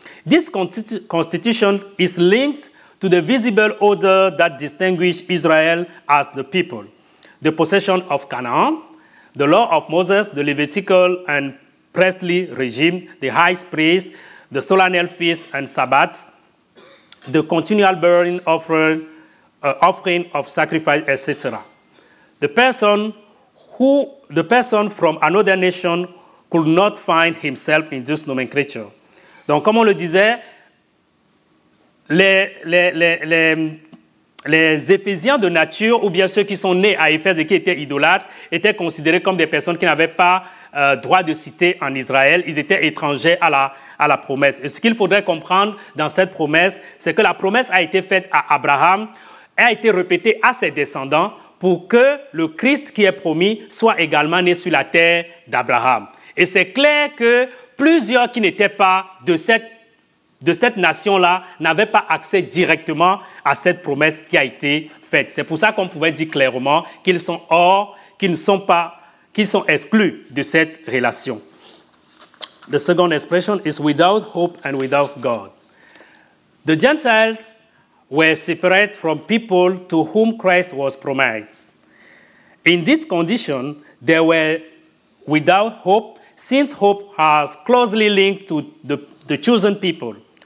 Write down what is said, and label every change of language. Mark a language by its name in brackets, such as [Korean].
[English] This constitution is linked to the visible order that distinguished Israel as the people, the possession of Canaan, the law of Moses, the Levitical and priestly regime, the high priest, the solemnal feast and Sabbath, the continual burning offering, offering of sacrifice, etc. The person from another nation could not find himself in this nomenclature. [French] Donc, comme on le disait, les Éphésiens de nature, ou bien ceux qui sont nés à Éphèse et qui étaient idolâtres, étaient considérés comme des personnes qui n'avaient pas droit de cité en Israël. Ils étaient étrangers à la promesse. Et ce qu'il faudrait comprendre dans cette promesse, c'est que la promesse a été faite à Abraham, a été répétée à ses descendants pour que le Christ qui est promis soit également né sur la terre d'Abraham. Et c'est clair que plusieurs qui n'étaient pas de cette nation-là n'avaient pas accès directement à cette promesse qui a été faite. C'est pour ça qu'on pouvait dire clairement qu'ils sont hors, qu'ils ne sont pas, qu'ils sont exclus de cette relation. [English] The second expression is without hope and without God. The Gentiles were separate from people to whom Christ was promised. In this condition, they were without hope, since hope has closely linked to the chosen people.